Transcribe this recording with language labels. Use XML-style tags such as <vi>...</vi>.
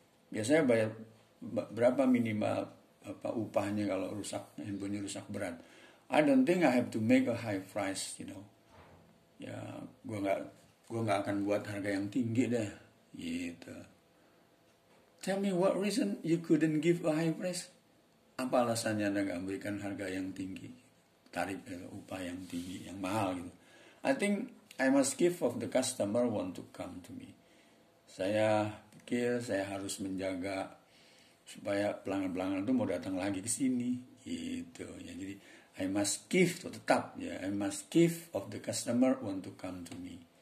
<id>Biasanya bayar berapa minimal apa upahnya kalau rusak, handphone-nya rusak berat.</id> <en>I don't think I have to make a high price, you know.</en> <id>Ya, gua enggak akan buat harga yang tinggi dah. Gitu.</id> <en>Tell me what reason you couldn't give a high price?</en> <id>Apa alasannya Anda enggak memberikan harga yang tinggi? Tarif upah yang tinggi, yang mahal gitu.</id> <en>I think I must give of the customer want to come to me.</en> <id>Saya pikir saya harus menjaga supaya pelanggan-pelanggan itu mau datang lagi ke sini. Gitu. Ya, jadi</id> <en>I must give to</en> <id>tetap ya.</id> <en>I must give of the customer want to come to me.</en>